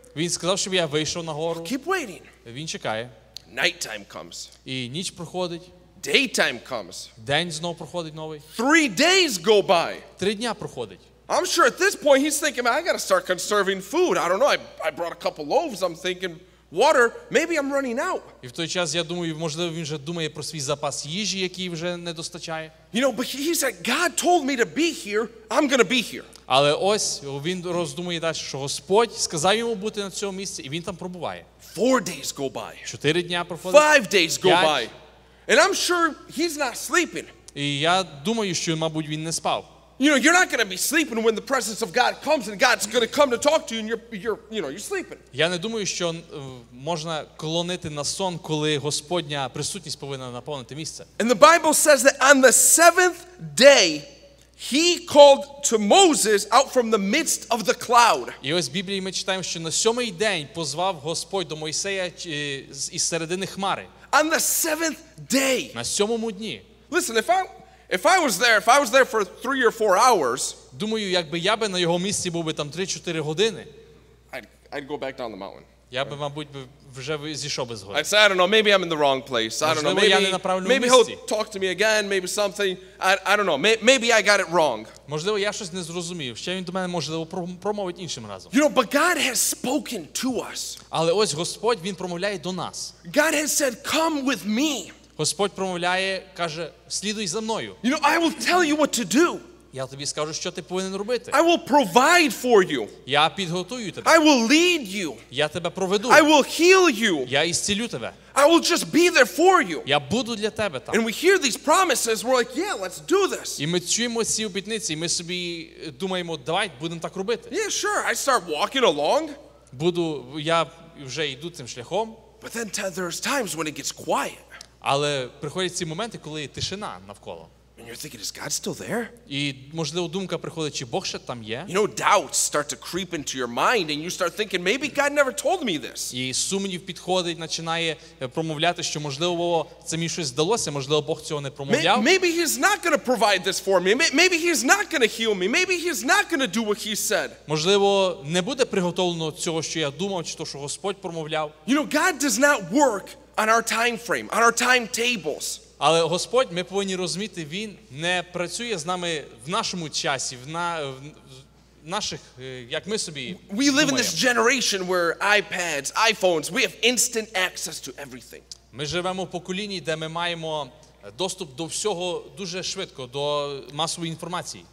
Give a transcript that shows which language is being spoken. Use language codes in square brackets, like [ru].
[uk] Він сказав, щоб я вийшов на гору. [en] Keep waiting. [uk] Він чекає. [en] Nighttime comes. [uk] І ніч проходить. [en] Daytime comes. [uk] День знову проходить новий. [en] 3 days go by. [uk] 3 дня проходить. [en] I'm sure at this point he's thinking, I got to start conserving food. I don't know. I brought a couple loaves. I'm thinking water. Maybe I'm running out. [uk] І в той час я думаю, можливо, він вже думає про свій запас їжі, який вже не достачає. [en] You know, but he's like, God told me to be here. I'm going to be here. [uk] Але ось він роздумує далі, що Господь сказав йому бути на цьому місці, і він там пробуває. [en] 4 days go by. [uk] 4 дня проходить. [en] 5 days go by. And I'm sure he's not sleeping. [uk] І я думаю, що мабуть він не спав. [en] You know, you're not going to be sleeping when the presence of God comes and God's going to come to talk to you and you're sleeping. [uk] Я не думаю, що можна клонити на сон, коли Господня присутність повинна наповнити місце. [en] And the Bible says that on the seventh day he called to Moses out from the midst of the cloud. [uk] І ось в Біблії ми читаємо, що на сьомий день позвав Господь до Мойсея із середини хмари. [en] On the seventh day. [uk] На сьомому дні. [en] Listen, if I was there for 3 or 4 hours, [uk] думаю, якби я би на його місці був би там 3-4 години, [en] I'd go back down the mountain. [uk] Я би, мабуть, би вже зійшов би з гори. [en] I'd say, I don't know, maybe I'm in the wrong place. I don't know, maybe he'll talk to me again, maybe something. I don't know, maybe I got it wrong. [uk] Можливо, я щось не зрозумів. Ще він до мене, можливо, промовить іншим разом. [en] You know, but God has spoken to us. [uk] Але ось Господь, він промовляє до нас. [en] God has said, come with me. [uk] Господь промовляє, каже, слідуй за мною. [en] You know, I will tell you what to do. [uk] Я тобі скажу, що ти повинен робити. [en] I will provide for you. [uk] Я підготую тебе. [en] I will lead you. [uk] Я тебе проведу. [en] I will heal you. [uk] Я ісцілю тебе. [en] I will just be there for you. [uk] Я буду для тебе там. [en] And we hear these promises, we're like, yeah, let's do this. [uk] І ми чуємо ці обітниці, ми собі думаємо, давай, будемо так робити. [en] Yeah, sure, I start walking along. [uk] Буду, я вже йду цим шляхом. [en] But then there's times when it gets quiet. [uk] Але приходять ці моменти, коли тишина навколо. [en] And you're thinking, is God still there? [uk] І, можливо, думка приходить, чи Бог ще там є? [en] You know, doubts start to creep into your mind, and you start thinking, maybe God never told me this. [uk] І сумнів підходить, починає промовляти, що, можливо, це мені щось здалося, можливо, Бог цього не промовляв. [en] Maybe he's not going to provide this for me. Maybe he's not going to heal me. Maybe he's not going to do what he said. [uk] Можливо, не буде приготовлено цього, що я думав, чи то, що Господь промовляв. [en] You know, God does not work on our time frame, on our timetables. [uk] Але Господь, ми повинні розуміти, він не працює з нами в нашому часі, в наших, як ми собі. [en] We live in this generation where iPads, iPhones, we have instant access to everything. [uk] Ми живемо в поколінні, де ми маємо доступ до всього дуже швидко, до масової інформації.